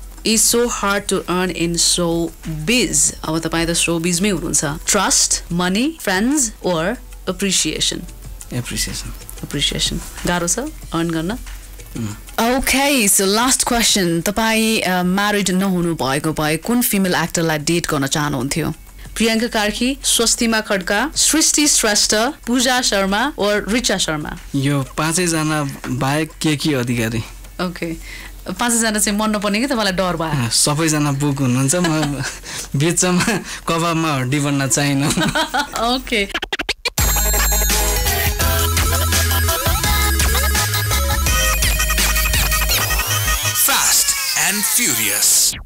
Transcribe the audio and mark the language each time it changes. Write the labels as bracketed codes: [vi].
[en] is so hard to earn in showbiz. [ne] अब तपाईं त showbizमै हुनुहुन्छ. [en] Trust, money, friends or appreciation? Appreciation. Appreciation. [ne] गाह्रो छ earn गर्न? [en] Okay, so last question. [ne] तपाईं married नहुनु भएको भए कुन female actorलाई date गर्न चाहनुहुन्थ्यो? प्रियंका कार्की, स्वस्तिमा खड्का, सृष्टि श्रेष्ठ, पूजा शर्मा और ऋचा शर्मा. यो पाँचैजना बाहेक के अधिकारी? ओके, पाँचैजना चाहिँ मन नपर्ने कि तपाईँलाई डर भयो? सबैजना बुक हुनुहुन्छ, म बिचमा कबाबमा हड्डी बन्न चाहिँ. [en] Okay, fast and furious.